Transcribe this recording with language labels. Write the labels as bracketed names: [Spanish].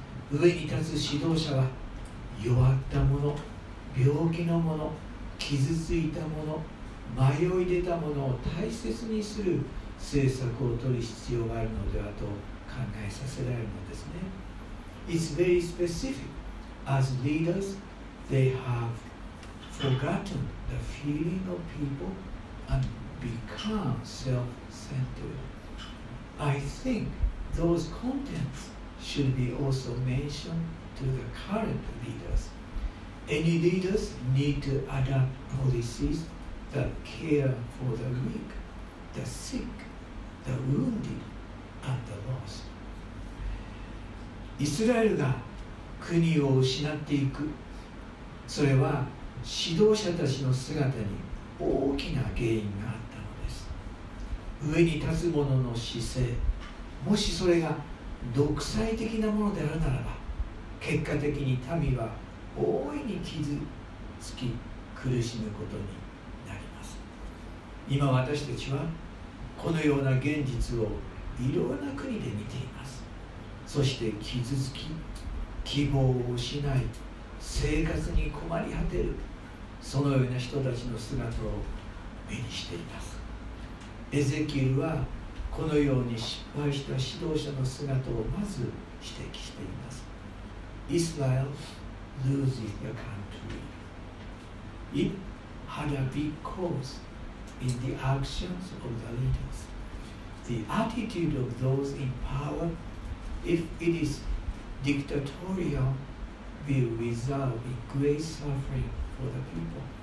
[Japanese] 上に立つ指導者は弱ったもの、病気のもの、傷ついたもの、迷い出たものを大切にする政策を取る必要があるのではと考えさせられるのですね。 [English] It's very specific. As leaders, they have forgotten the feeling of people andbecome self-centered. I think those contents should be also mentioned to the current leaders. Any leaders need to adopt policies that care for the weak, the sick, the wounded, and the lost. [Japanese] イスラエルが国を失っていく、それは指導者たちの姿に大きな原因が上に立つ者の姿勢、もしそれが独裁的なものであるならば、結果的に民は大いに傷つき苦しむことになります。今私たちはこのような現実をいろんな国で見ています。そして傷つき希望を失い、生活に困り果てる、そのような人たちの姿を目にしています。エゼキエルはこのように失敗した指導者の姿をまず指摘しています。 [English] イスラエル losing your country. It had a big cause in the actions of the leaders. The attitude of those in power, if it is dictatorial, will result in great suffering for the people.